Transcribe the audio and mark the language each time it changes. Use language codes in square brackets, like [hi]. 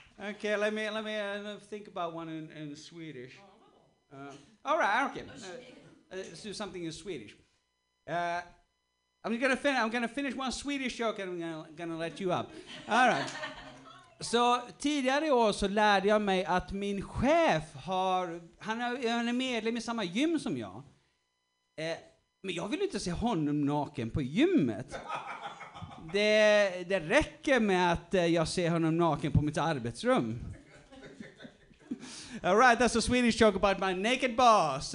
[en] Okay, let me think about one in Swedish. All right, okay. Let's do something in Swedish. I'm gonna finish one Swedish joke and I'm gonna let you up. All right. [sv] Så tidigare år så lärde jag mig att min chef han är medlem i samma gym som jag. Men jag vill inte se honom naken på gymmet. Det räcker med att jag ser honom naken på mitt arbetsrum. [en] All right, that's a Swedish joke about my naked boss.